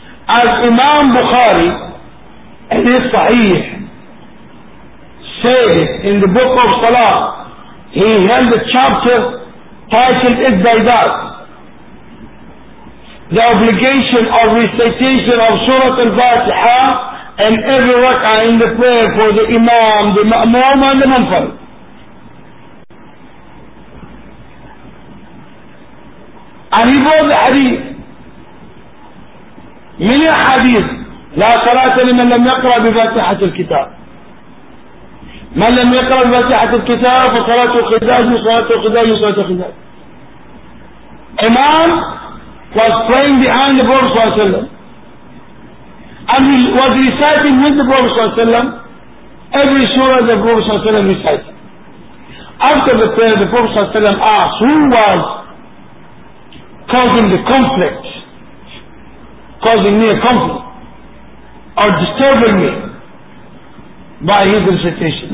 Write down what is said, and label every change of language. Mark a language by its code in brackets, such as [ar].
[en] As Imam Bukhari in his Sahih said in the book of Salah, he held a chapter titled Iddaidat, the obligation of recitation of Surah Al-Fatiha and every rak'ah in the prayer for the Imam, the Ma'mum and the Munfarid. And he brought the hadith. Many hadith. [ar] لا صلاة لمن لم يقرأ بفاتحة الكتاب. من لم يقرأ بفاتحة الكتاب فصلاة الخزاج وصلاة الخزاج وصلاة الخزاج. [en] Imam was praying behind the Prophet [ar] صلى الله عليه وسلم. [en] And he was reciting with the Prophet [ar] صلى الله عليه وسلم [en] every surah the Prophet صلى الله عليه وسلم recited. After the prayer, the Prophet [ar] صلى الله عليه وسلم [en] asked, who was causing the conflict, causing me a conflict, or disturbing me by his recitation?